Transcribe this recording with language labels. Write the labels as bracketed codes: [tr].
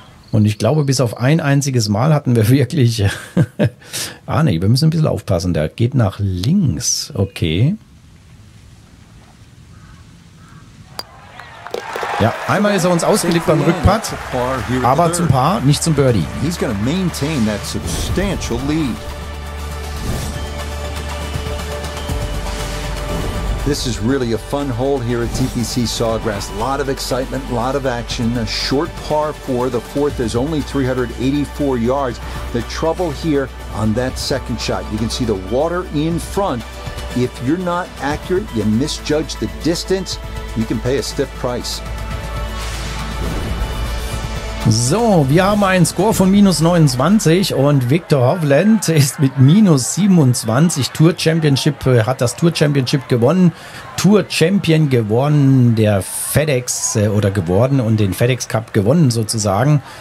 [de] Und ich glaube, bis auf ein einziges Mal hatten wir wirklich... ah nee, wir müssen ein bisschen aufpassen. Der geht nach links. Okay. Ja, einmal ist er uns ausgelegt beim Rückputt. Aber zum Par, nicht zum Birdie. [en] He's gonna maintain that substantial lead. This is really a fun hole here at TPC Sawgrass. A lot of excitement, a lot of action. A short par four. The fourth is only 384 yards. The trouble here on that second shot, you can see the water in front. If you're not accurate, you misjudge the distance, you can pay a stiff price. [de] So, wir haben einen Score von minus 29 und Victor Hovland ist mit minus 27 Tour Championship, hat das Tour Championship gewonnen. Tour Champion gewonnen, der FedEx oder geworden und den FedEx Cup gewonnen sozusagen.